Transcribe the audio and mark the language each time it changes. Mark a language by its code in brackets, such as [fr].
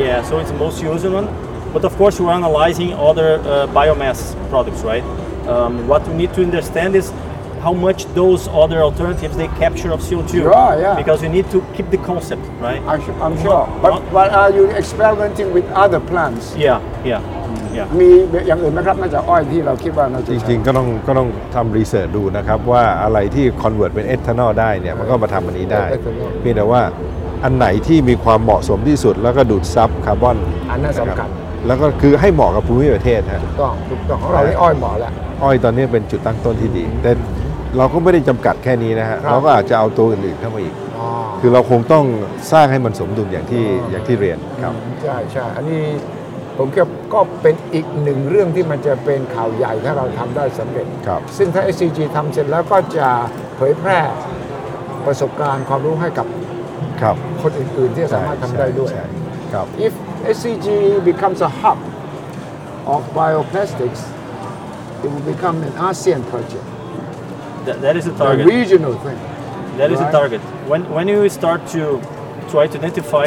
[en] Yeah, so it's the most used one. But of course, we're analyzing other biomass products, right? What we need to understand is how much those other alternatives they capture of CO2. Sure, yeah. Because you need to keep the concept, right? I'm sure. But are you experimenting with other plants? Yeah. [th] มีอย่างอื่นไหมครับนอกจากอ้อยที่เราคิดว่า จริงจริงก็ต้องทำรีเสิร์ชดูนะครับว่าอะไรที่คอนเวิร์ตเป็นเอทานอลได้เนี่ยมันก็มาทำอันนี้ได้ เพียงแต่ว่าอันไหนที่มีความเหมาะสมที่สุดแล้วก็ดูดซับคาร์บอน อันนั้นสำคัญ แล้วก็คือให้เหมาะกับภูมิประเทศฮะ ถูกต้องของเราที่อ้อยเหมาะแล้ว อ้อยตอนนี้เป็นจุดตั้งต้นที่ดีแต่เราก็ไม่ได้จำกัดแค่นี้นะฮะเราก็อาจจะเอาตัวอื่นๆเข้ามาอีกคือเราคงต้องสร้างให้มันสมดุลอย่างที่เรียนครับ ใช่อันนี้ผมคิดก็เป็นอีกหนึ่งเรื่องที่มันจะเป็นข่าวใหญ่ถ้าเราทำได้สำเร็จ ครับ ซึ่งถ้า SCG ทำเสร็จแล้วก็จะเผยแพร่ประสบการณ์ความรู้ให้กับ ครับ คนอื่นๆที่สามารถทำได้ด้วย ครับ [en] If SCG becomes a hub of bioplastics it will become an ASEAN project that is the target the regional thing that is the target when you start to try to identify